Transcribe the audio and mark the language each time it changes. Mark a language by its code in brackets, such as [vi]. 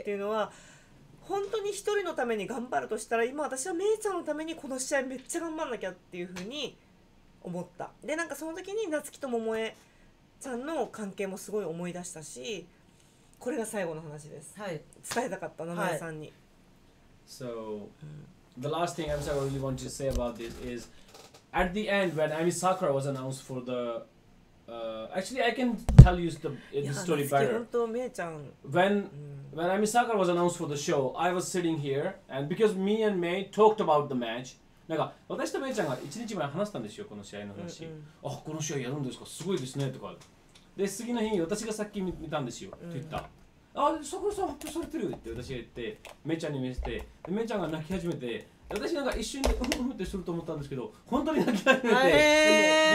[ja] っていうのは、本当に一人のために頑張るとしたら、今私はめいちゃんのためにこの試合めっちゃ頑張んなきゃっていう風に思った。でなんかその時に夏樹と桃江ちゃんの関係もすごい思い出したし、これが最後の話です。はい、伝えたかった名前さんに。 [en] So the last thing I really want to say about this is, at the end when Ami Sakura was announced for the, actually I can tell you the story better. [ja] 本当めいちゃん。 [en] When Ami Sakura was announced for the show, I was sitting here and because me and Mei talked about the match. [ja] なんか私とめいちゃんが1日前話したんですよ、この試合の話、うんうん、あ、この試合やるんですか、すごいですねとか、で、次の日に私がさっき見たんですよ、って言った、うん、あ、そこさん発表されてるって私が言って、めいちゃんに見せて、めいちゃんが泣き始めて、私なんか一瞬でうんうんってすると思ったんですけど、本当に泣き始めて、